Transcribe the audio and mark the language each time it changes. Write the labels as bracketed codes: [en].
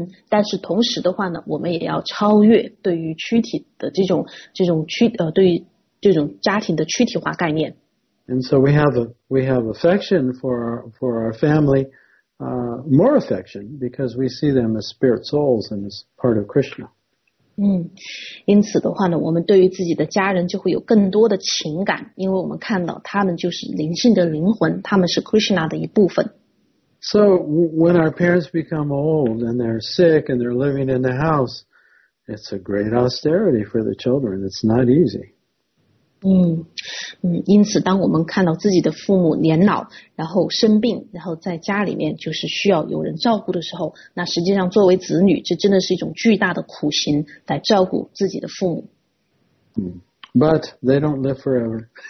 [zh] 但是同时的话呢，我们也要超越对于躯体的对于这种家庭的躯体化概念。 [en] And so we have affection for our family, more affection because we see them as spirit souls and as part of Krishna. [zh] 因此的话呢，我们对于自己的家人就会有更多的情感，因为我们看到他们就是灵性的灵魂，他们是 Krishna 的一部分。 [en] So when our parents become old and they're sick and they're living in the house, it's a great austerity for the children. It's not easy. [zh] 因此当我们看到自己的父母年老，然后生病，然后在家里面就是需要有人照顾的时候，那实际上作为子女，这真的是一种巨大的苦行来照顾自己的父母。 [en] But they don't live forever.